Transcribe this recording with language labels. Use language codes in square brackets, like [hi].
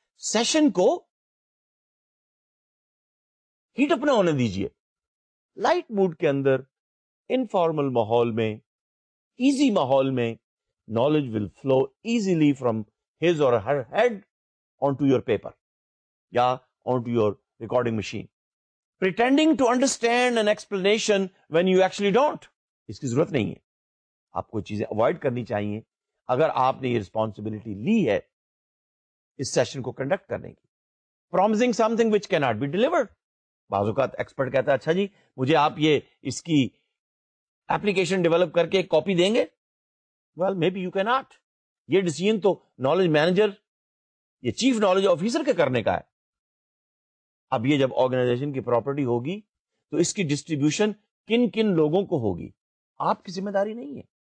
[ur] Session کو heat اپنا ہونے دیجئے, لائٹ موڈ کے اندر, انفارمل ماحول میں, ایزی ماحول میں, [en] Knowledge will flow easily from his or her head on to your paper یا on to your recording machine. Pretending to understand an explanation when you actually don't. [ur] Iski zarurat nahi hai. آپ کو چیزیں avoid کرنی چاہیے اگر آپ نے یہ ریسپانسبلٹی لی ہے اس سیشن کو کنڈکٹ کرنے کی. [en] Promising something which can not be delivered. [ur] بعض اوقات ایکسپرٹ کہتا ہے اچھا جی مجھے آپ یہ اس کی ایپلیکیشن ڈیولپ کر کے کاپی دیں گے. [en] Well maybe you can not. [ur] یہ ڈیسیژن تو نالج مینیجر یا چیف نالج آفیسر کے کرنے کا ہے. اب یہ جب آرگنائزیشن کی پراپرٹی ہوگی تو اس کی ڈسٹریبیوشن کن کن لوگوں کو ہوگی آپ کی ذمہ داری نہیں ہے.